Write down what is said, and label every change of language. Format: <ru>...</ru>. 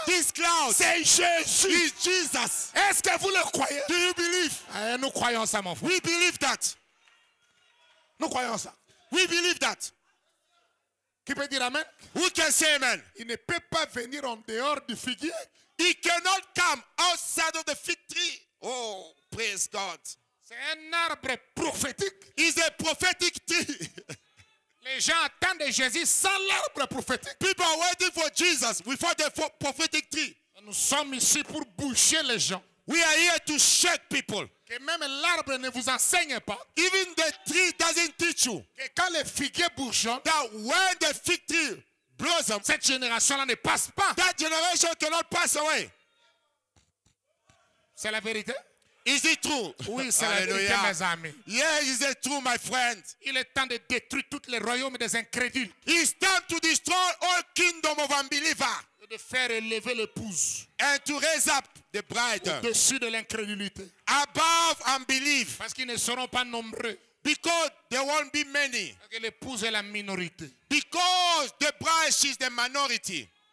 <en>This cloud.</en> <fr>C'est Jésus.</fr> <en>Is Jesus.</en> <fr>Est-ce que vous le croyez?</fr> <en>Do you believe?</en> <fr>Ah, nous croyons ça, mon frère.</fr> <en>We believe that.</en> <fr>Nous croyons ça.</fr> <en>We believe that.</en> <fr>Qui peut dire amen?</fr> <en>Who can say amen?</en> <fr>Il ne peut pas venir en dehors du figuier.</fr> <en>He cannot come outside of the fig tree. Oh, praise God.</en> <fr>C'est un arbre prophétique.</fr> <en>It's a prophetic tree.</en> <fr>Les gens attendent Jésus sans l'arbre prophétique.</fr> <en>People are waiting for Jesus without the prophetic tree.</en> <fr>Nous sommes ici pour boucher les gens.</fr> <en>We are here to shake people.</en> <fr>Que même l'arbre ne vous enseigne pas.</fr> <en>Even the tree doesn't teach you.</en> <fr>Que quand les figuiers bougent,</fr> <en>that when the fig tree blossoms,</en> <fr>cette génération-là ne passe pas.</fr> <en>That generation cannot pass away.</en> <fr>C'est la vérité?</fr> <en>Is it true?</en> <fr>Oui, c'est Alleluia. La vérité, mes amis.</fr> <en>Yeah, is it true, my friend?</en> <fr>Il est temps de détruire tous les royaumes des incrédules.</fr> <en>It's time to destroy all kingdom of unbelievers.</en> <fr>De faire élever l'épouse.</fr> <en>And to raise up the bride.</en> <fr>Au-dessus de l'incrédulité.</fr> <en>Above unbelief.</en> <fr>Parce qu'ils ne seront pas nombreux.</fr> <en>Because there won't be many.</en> <fr>Parce que l'épouse est la minorité.</fr> <en>Because the bride is the minority.</en>